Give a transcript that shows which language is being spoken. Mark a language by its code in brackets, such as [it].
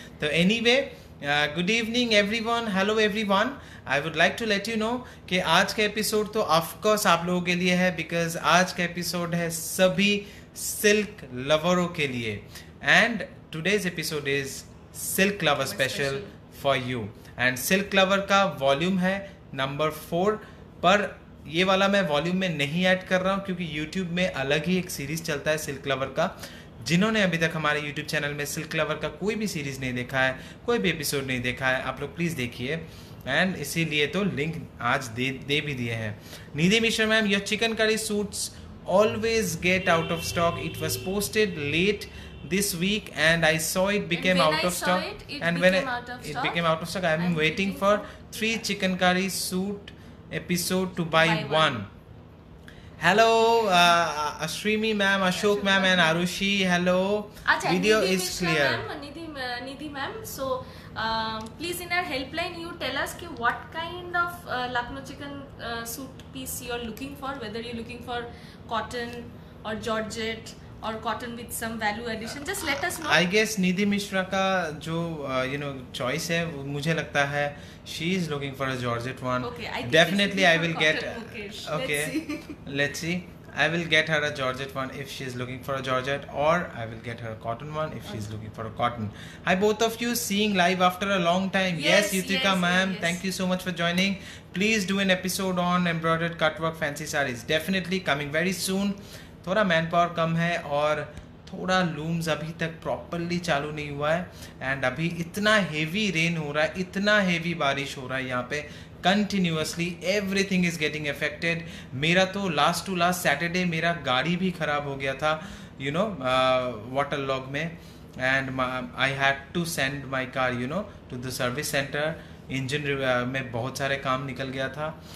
[en] তো anyway, good evening everyone, hello everyone, I would like to let you know [hi] কে আজ কা episode তো of course up logo কে লিয়ে হ্যায়, [en] because [hi] আজ কা এপিসোড হ্যায় সভি সিল্ক লভারো কে লিয়ে, [en] And today's episode is silk lover special for you. [hi] And silk lover का वॉल्यूम है नंबर 4, पर ये वाला मैं वॉल्यूम में नहीं ऐड कर रहा हूँ क्योंकि यूट्यूब में अलग ही एक सीरीज चलता है सिल्क लवर का। जिन्होंने अभी तक हमारे यूट्यूब चैनल में सिल्क लवर का कोई भी सीरीज नहीं देखा है, कोई भी एपिसोड नहीं देखा है, आप लोग प्लीज़ देखिए, एंड इसीलिए तो लिंक आज दे भी दिए हैं। [en] Nidhi Mishra ma'am, your chicken curry suits always get out of stock, it was posted late this week and I saw it became out of stock, and when it became out of stock I am waiting for 3 chicken curry suit episode to buy one. Hello Ashrimi ma'am, Ashok ma'am and Arushi, hello, video is clear. Nidhi ma'am, so please in our helpline you tell us ki what kind of Lucknow chicken suit piece you are looking for, whether you are looking for cotton or georgette or cotton with some value addition, just let us know. I guess Nidhi Mishra ka jo you know choice hai, [hi] mujhe lagta hai [en] she is looking for a georgette one. Okay, I think definitely she's I will get bookish. Okay, let's see. I will get her a georgette one if she is looking for a georgette, or I will get her a cotton one if she is looking for a cotton. Hi both of you, seeing live after a long time. Yes, Yutika yes, ma'am, yes. Thank you so much for joining. Please do an episode on embroidered cutwork fancy sarees, definitely coming very soon. [hi] थोड़ा man power कम है और थोड़ा looms अभी तक properly चालू नहीं हुआ है, एंड अभी इतना हेवी रेन हो रहा है, इतना हेवी बारिश हो रहा है यहाँ पे continuously, [en] Everything is getting affected. [hi] मेरा तो लास्ट टू लास्ट सैटरडे मेरा गाड़ी भी खराब हो गया था, यू नो वाटर लॉग में, [en] and I had to send my car you know to the service centre, [hi] engine में बहुत सारे काम निकल गया था।